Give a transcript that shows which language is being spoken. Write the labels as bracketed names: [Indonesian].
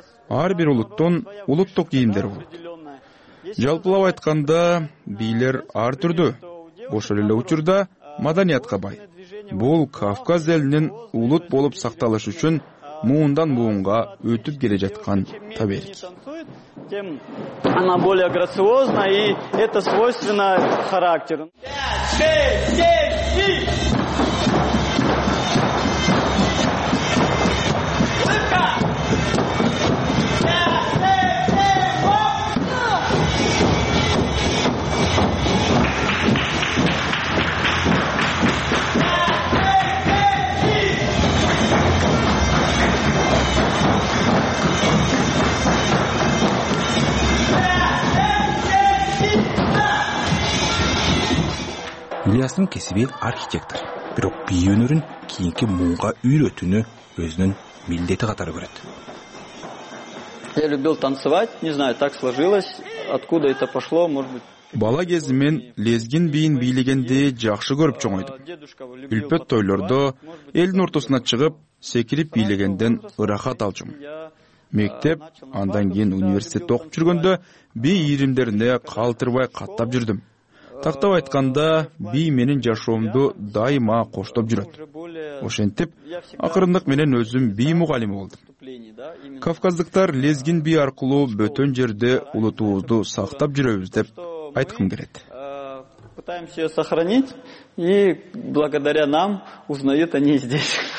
[Kyrgyz] Ар бир улуттун улуттук кийимдери болот. Жалпылап айтканда бийлер ар түрдүү. Ошол эле учурда маданиятка бай. Бул Кавказ элинин улут болуп сакталышы үчүн муундан муунга өтүп келе жаткан таберик. [Russian] Тем она более грациозна и это свойственно характеру. [Kyrgyz] 1-1 кесиби архитектор, бирок бий өнөрүн кийинки муунга үйрөтүүнү өзүнүн милдети катары көрөт. [Russian] Я любил танцевать, не знаю, так сложилось, откуда это пошло, может быть. [Kyrgyz] Бала кезимен лезгин бийин бийлегенди жакшы көрүп чоңойдум. Үлпөт тойлордо элдин ортосуна чыгып, секирип бийлегенден ырахат алчум. Мектеп, андан кийин университет окуп жүргөндө бий ийримдерине калтырбай каттап жүрдүм. Тактап айтканда, бий менин жашоомду дайыма коштоп жүрөт. Ошентип, акырындык менен өзүм бий мугалими болдум. Кавказдыктар лезгин бий аркылуу бөтөн жерде улутубузду сактап жүрөбүз деп айткым келет. [Russian] Пытаемся её сохранить, и благодаря нам узнают они здесь.